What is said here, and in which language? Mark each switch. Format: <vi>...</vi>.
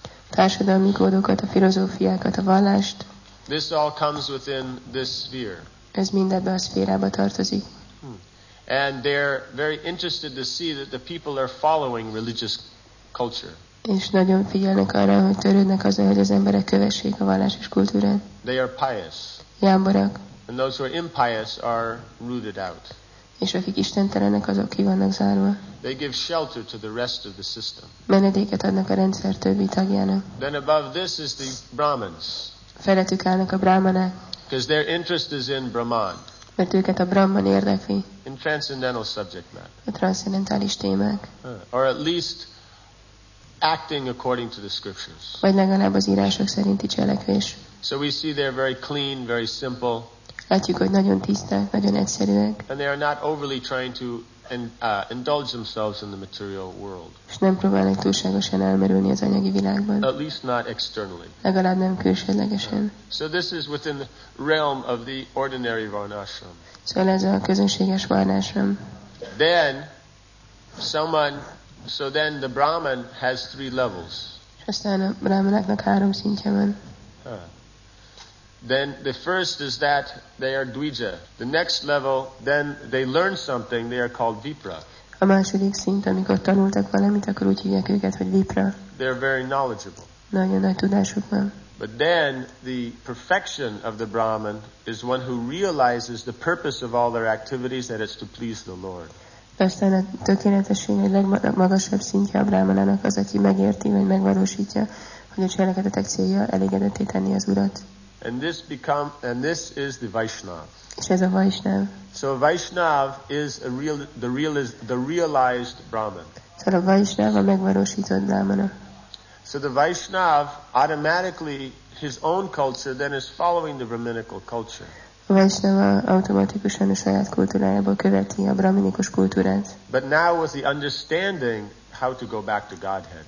<hu>Társadalmi kódokat, a filozófiákat, a vallást.</hu> <en>This all comes within this sphere.</en> <hu>Ez mind ebbe a szférába tartozik.</hu> <en>And they're very interested to see that the people are following religious culture.</en> <hu>És nagyon figyelnek arra, hogy törődnek azzal, hogy az emberek kövessék a vallásos kultúrát.</hu> <en>They are pious.</en> <hu>Jámborak.</hu> <en>And those who are impious are rooted out.</en> <hu>És akik istentelenek, azok ki vannak zárva.</hu> <en>They give shelter to the rest of the system.</en> <hu>Menedéket adnak a rendszer többi tagjának.</hu> <en>Then above this is the Brahmins.</en> <hu>Felettük állnak a brahmanák.</hu> <en>Because their interest is in Brahman.</en> <hu>Mert őket a Brahman érdekli.</hu> <en>In transcendental subject matter.</en> <hu>A transzcendentális témák.</hu> <en>Or at least acting according to the scriptures.</en> <hu>Vagy legalább az írások szerinti cselekvés.</hu> <en>So we see they're very clean, very simple.</en> <hu>Látjuk, hogy nagyon tiszták, nagyon egyszerűek.</hu> <en>And they are not overly trying to indulge themselves in the material world.</en> <hu>És nem próbálnak túlságosan elmerülni az anyagi világban.</hu> <en>At least not externally.</en> <hu>Legalább nem külsőlegesen.</hu> <en>So this is within the realm of the ordinary varnashram.</en> <hu>Szóval ez a közönséges varnashram.</hu> <en>Then the Brahman has three levels.</en> <hu>És aztán a brahmanáknak három szintje van.</hu> <en>Then the first is that they are dvija. The next level, then they learn something, they are called vipra.</en> <hu>A második szint, amikor tanultak valamit, akkor úgy hívják őket, hogy vipra.</hu> <en>They are very knowledgeable.</en> <hu>Nagyon nagy tudásuk van.</hu> <en>But then the perfection of the Brahman is one who realizes the purpose of all their activities, that it's to please the Lord.</en> <hu>Aztán a tökéletesség, a legmagasabb szintje a brahmanának az, aki megérti, vagy megvalósítja, hogy a cselekedetek célja elégedetté tenni az Urat.</hu> <en>And this is the Vaishnav.</en> <hu>És ez a Vaishnav.</hu> <en>So a Vaishnav is the realized Brahman.</en> <hu>Szóval a Vaishnav a megvalósított Brahmana.</hu> <en>So the Vaishnav automatically his own culture then is following the Brahminical culture.</en> <hu>A Vaishnava automatikusan a saját kultúrájából követi a brahminikus kultúrát.</hu> <en>But now with the understanding how to go back to Godhead.</en>